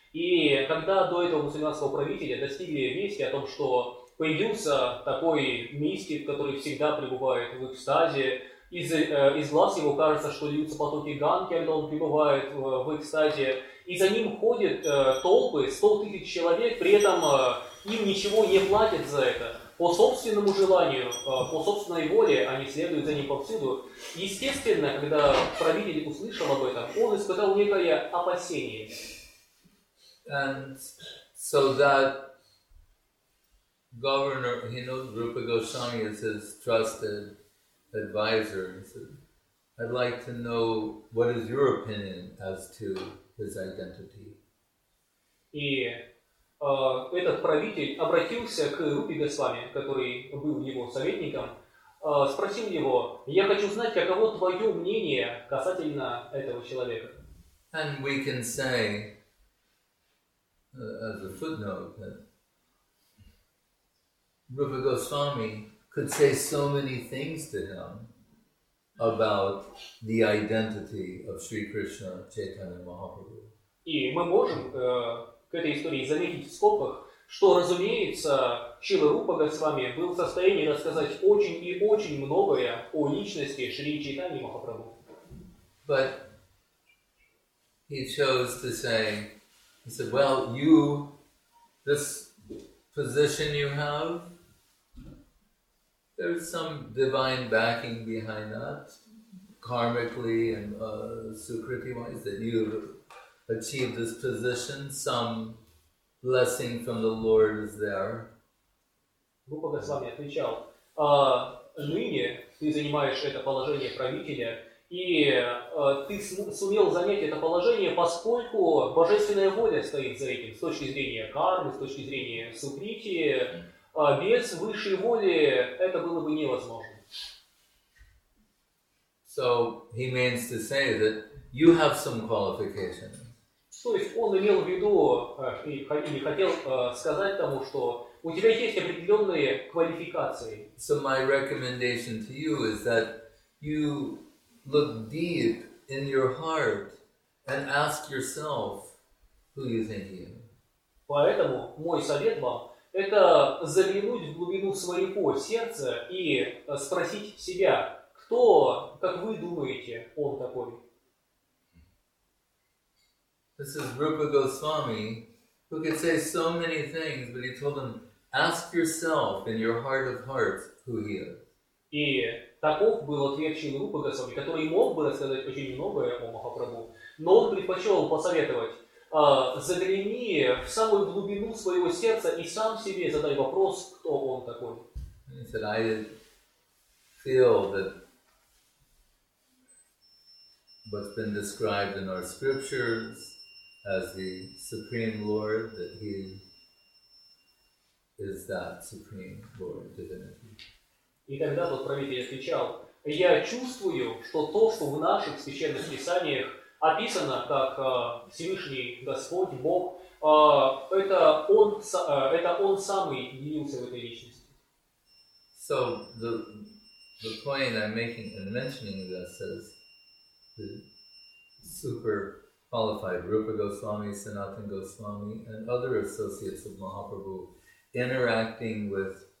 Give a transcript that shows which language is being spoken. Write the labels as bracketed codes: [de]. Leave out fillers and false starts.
[ru] И когда до этого мусульманского правителя достигли вести о том, что появился такой мистик, который всегда пребывает в экстазе, из глаз его кажется, что льются потоки Ганги, когда он пребывает в экстазе, и за ним ходят толпы, 100 тысяч человек, при этом им ничего не платят за это. По собственному желанию, по собственной воле они следуют за ним повсюду. Естественно, когда правитель услышал об этом, он испытал некое опасение. [en] And so that governor, he knows Rupa Goswami is his trusted advisor. He says, I'd like to know what is your opinion as to his identity. [ru] И этот правитель обратился к Рупе Госвами, который был его советником, спросил его, я хочу знать, каково твое мнение касательно этого человека. [en] And we can say, as a footnote, Rupa Goswami could say so many things to him about the identity of Sri Krishna Chaitanya Mahaprabhu. [ru] И мы можем к этой истории заметить в скобках, что, разумеется, Шрила Рупа Госвами был в состоянии рассказать очень и очень многое о личности Шри Чайтаньи Махапрабху. [en] But he chose to say, he said, well, you, this position you have, there's some divine backing behind that, karmically and sukriti-wise, that you've achieved this position, some blessing from the Lord is there. [ru] Rupa Goswami отвечал, ныне ты занимаешь это положение правителя, и ты сумел занять это положение, поскольку божественная воля стоит за этим, с точки зрения кармы, с точки зрения сукрити, без высшей воли это было бы невозможно. [en] So he means to say that you have some qualifications. [ru] То есть он имел в виду, или хотел сказать тому, что у тебя есть определенные квалификации. [en] So my recommendation to you is that you look deep in your heart and ask yourself who you think you are. [ru] Поэтому мой совет вам – это заглянуть в глубину своего сердца и спросить себя, кто, как вы думаете, он такой. [en] This is Rupa Goswami, who could say so many things, but he told him, ask yourself in your heart of hearts who he is. [ru] И таков был ответ Шрилы Рупы Госвами, который мог бы рассказать очень многое о Махапрабху, но он предпочел посоветовать, загляни в самую глубину своего сердца и сам себе задай вопрос, кто он такой. [en] He said, I feel that what's been described in our scriptures as the Supreme Lord, that he is that Supreme Lord divinity. [ru] И тогда тот правитель отвечал, я чувствую, что то, что в наших священных писаниях описано как Всевышний Господь, Бог, это Он сам явился в этой личности. [en] So the point I'm making and mentioning this is the super qualified Rupa Goswami, Sanatan Goswami and other associates of Mahaprabhu interacting with